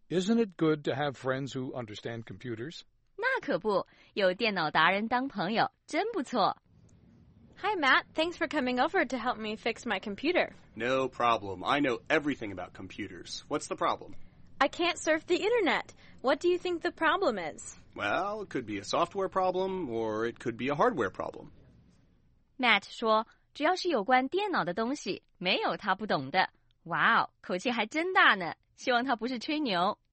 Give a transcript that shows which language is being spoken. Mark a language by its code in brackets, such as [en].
[en] Isn't it good to have friends who understand computers? [zh] 那可不，有电脑达人当朋友，真不错。 [en] Hi, Matt. Thanks for coming over to help me fix my computer. No problem. I know everything about computers. What's the problem? I can't surf the internet. What do you think the problem is? Well, it could be a software problem, or it could be a hardware problem. [zh] Matt 说，只要是有关电脑的东西，没有他不懂的。哇哦，口气还真大呢，希望他不是吹牛。